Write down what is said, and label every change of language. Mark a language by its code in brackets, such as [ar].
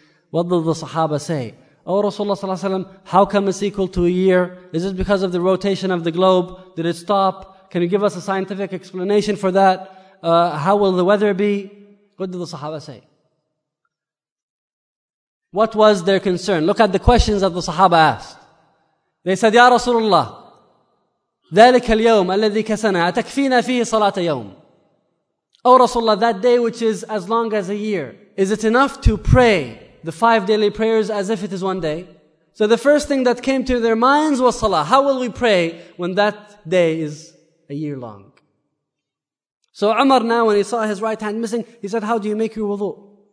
[en] What did the Sahaba say? Oh Rasulullah sallallahu alaihi wasallam, how come it's equal to a year? Is it because of the rotation of the globe? Did it stop? Can you give us a scientific explanation for that? How will the weather be? What did the Sahaba say? What was their concern? Look at the questions that the Sahaba asked. They said, [ar] Ya Rasulullah, ذلك اليوم الذي كسنا أتكفينا فيه صلاة يوم. [en] Oh Rasulullah, that day which is as long as a year, is it enough to pray the 5 daily prayers as if it is one day? So the first thing that came to their minds was salah. How will we pray when that day is a year long? So Umar now, when he saw his right hand missing, he said, how do you make your wudu?